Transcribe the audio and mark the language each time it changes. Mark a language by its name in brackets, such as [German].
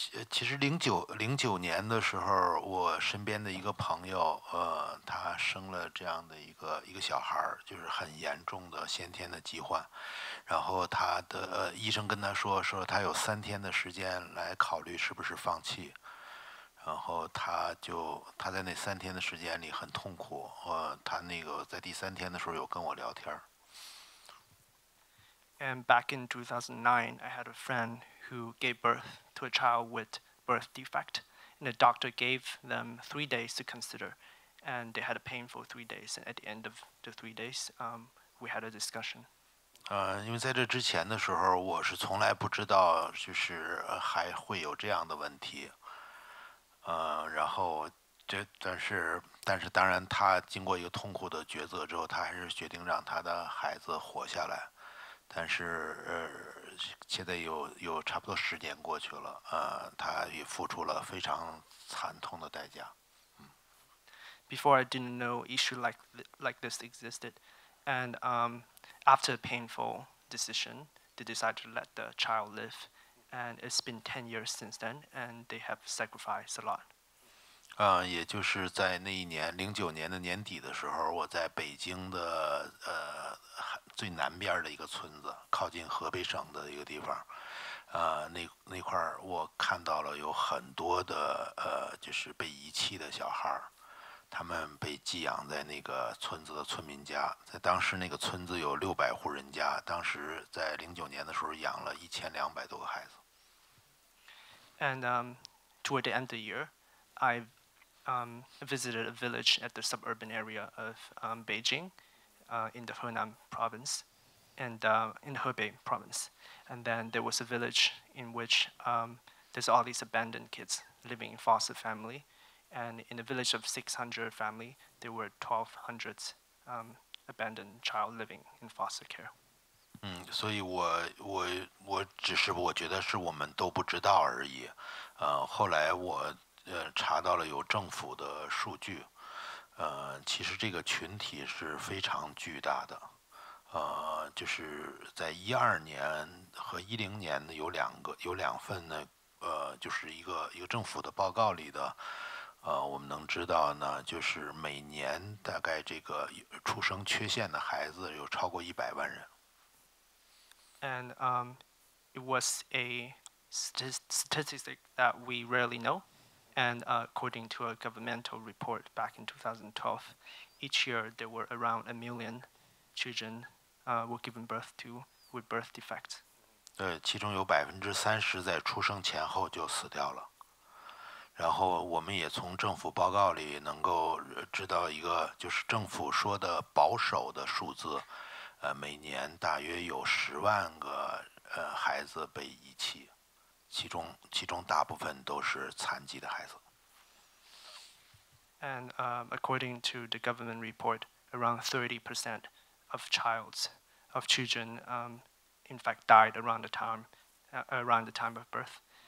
[Chinese] 其实零九年的时候，我身边的一个朋友，他生了这样的一个小孩，就是很严重的先天的疾患。然后他的医生跟他说他有3天的时间来考虑是不是放弃。然后他在那3天的时间里很痛苦，他那个在第3天的时候有跟我聊天。 [English] And back in 2009, I had a friend who gave birth to a child with birth defect, and the doctor gave them 3 days to consider, and they had a painful 3 days. And at the end of the 3 days, we had a discussion. [Chinese] 因为在这之前的时候，我是从来不知道就是还会有这样的问题。然后这但是当然，他经过一个痛苦的抉择之后，他还是决定让他的孩子活下来。但是现在有差不多10年过去了，他也付出了非常惨痛的代价。 [English] Before I didn't know issue like this existed, and after a painful decision, they decided to let the child live, and it's been 10 years since then, and they have sacrificed a lot. [Chinese] 也就是在那一年2009年的年底的时候，我在北京的最南边的一个村子，靠近河北省的一个地方，那块我看到了有很多的就是被遗弃的小孩，他们被寄养在那个村子的村民家。在当时那个村子有600户人家，当时在2009年的时候养了1200多个孩子。 [English] And toward the end of the year, I visited a village at the suburban area of Beijing. In the Henan province and in Hebei province. And then there was a village in which there's all these abandoned kids living in foster family. And in a village of 600 family, there were 1,200 abandoned child living in foster care. [Chinese] 所以我只是我觉得是我们都不知道而已。后来我查到了有政府的数据。其实这个群体是非常巨大的，就是在2012年和2010年的有两份呢，就是一个政府的报告里的，我们能知道呢，就是每年大概这个出生缺陷的孩子有超过100万人。 [English] And it was a statistic that we rarely know. And according to a governmental report back in 2012, each year there were around 1 million children were given birth to with birth defects. [Chinese] 其中有30%在出生前后就死掉了。然后我们也从政府报告里能够知道一个，就是政府说的保守的数字，每年大约有10万个孩子被遗弃。其中大部分都是残疾的孩子。 [English] And according to the government report, around 30% of children, in fact, died around the time of birth.